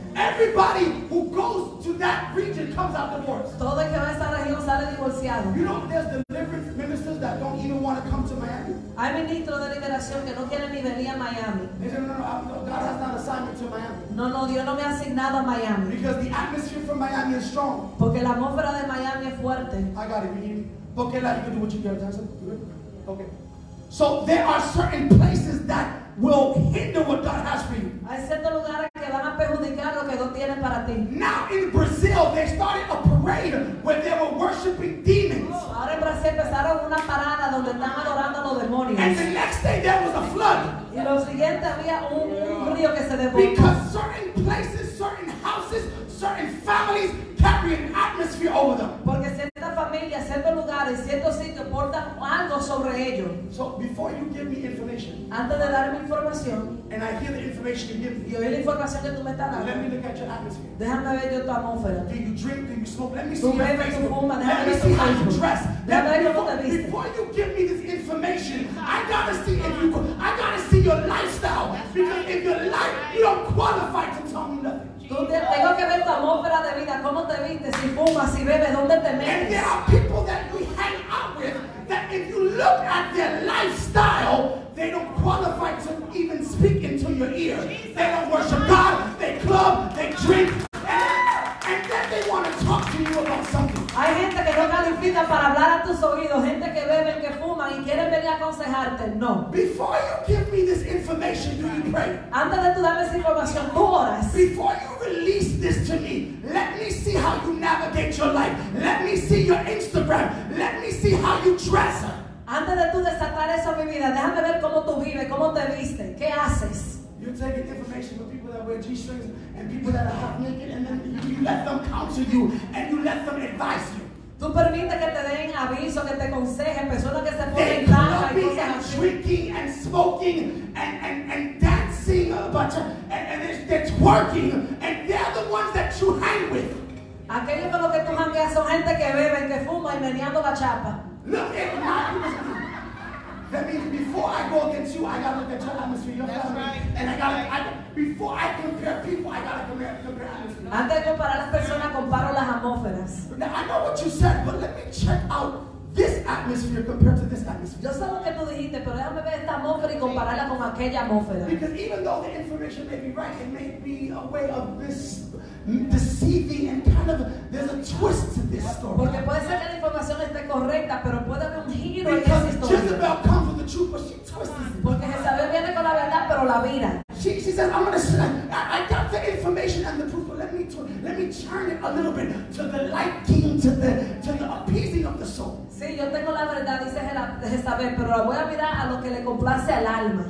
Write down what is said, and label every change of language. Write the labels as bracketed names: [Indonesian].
[English] Everybody who goes to that region comes out divorced. [Spanish] Todo el que va a esa región sale divorciado. [English] You know, there's deliverance ministers. ministers that don't even want to come to Miami. [Spanish] Hay ministros de liberación que no quieren ni venir a Miami. [English] They say, no, God has not assigned me to Miami. [Spanish] No, no, Dios no me ha asignado a Miami. [English] Because the atmosphere from Miami is strong. [Spanish] Porque la atmósfera de Miami es fuerte. [English] I got it. You [Spanish] porque la, [English] you can do what you can. Okay. So there are certain places that will hinder what God has for you. [Spanish] Hay ciertos lugares que van a perjudicar lo que Dios tiene para ti. [English] Now in Brazil, they started a parade where they were worshiping demons. [Spanish] Ahora en Brasil empezaron una parada donde estaban adorando los demonios. [English] And the next day there was a flood. [Spanish] Y lo siguiente había un río que se desbordó. [English] Because certain places, certain houses, certain families carry an atmosphere over them. [Spanish] Porque ciertas familias, ciertos lugares, ciertos sitios portan algo sobre ellos. [English] So before you give me information, [Spanish] antes de darme información, [English] and I hear the information you give me, [Spanish] y oír la información que tú me estás dando, [English] let me look at your atmosphere. [Spanish] Déjame ver yo tu atmósfera. [English] Do you drink? Do you smoke? Let me see your Facebook. Let me see how you dress. [Spanish] Déjame ver cómo te viste. [English] Before you give me this information, I gotta see if you. I gotta see your lifestyle. Because if your life, you don't qualify to tell me nothing. [Spanish] Tengo que ver tu atmósfera de vida, cómo te viste, si fumas, si bebes, dónde te metes. [English] And there are people that you hang out with that if you look at their lifestyle, they don't qualify to even speak into your ear. They don't worship God, they club, they drink, and then they want to talk to you about something. [Spanish] Hay gente que no califica para hablar a tus oídos, gente que bebe, que fuma y quiere venir a aconsejarte. No. [English] Before you give me this information, do you pray? [Spanish] Antes de tú darme esa información, tú oras. [English] Before you release this to me, let me see how you navigate your life. Let me see your Instagram. Let me see how you dress. [Spanish] Antes de tú desatar eso a mi vida, déjame ver cómo tú vives, cómo te viste, qué haces. [English] You're taking information from people that wear G-strings and people that are half naked, and then you let them counsel you and you let them advise you. [Spanish] Tú permites que te den aviso, que te aconsejen, personas que se ponen tan mal. [English] They're drinking and smoking and dancing a bunch of, and they're twerking, and they're the ones that you hang with. [Spanish] Aquellos con los que tú jangueas son gente que beben, que fuma y meneando la chapa. [English] Look at my. That means before I go against you, I gotta look at your atmosphere, your family. That's right. And I gotta, before I compare people, I gotta compare atmosphere. [Spanish] Antes de comparar las personas, comparo las atmósferas. [English] Now, I know what you said, but let me check out this atmosphere compared to this atmosphere. [Spanish] Yo sé lo que tú dijiste, pero déjame ver esta atmósfera y compararla con aquella atmósfera. [English] Because even though the information may be right, it may be a way of this deceiving and kind of, there's a twist to this story. [Spanish] Porque puede ser que la información esté correcta, pero puede haber un giro en esa historia. [English] Because Jezebel comes with the truth, but she twists it. [Spanish] Porque Jezebel viene con la verdad, pero la vira. [English] She says, I'm going to, I got the information and the proof, but let me turn it a little bit to the light king, to the appeasing of the soul. [Spanish] Sí, yo tengo la verdad, dice Jezebel, pero la voy a mirar a lo que le complace al alma.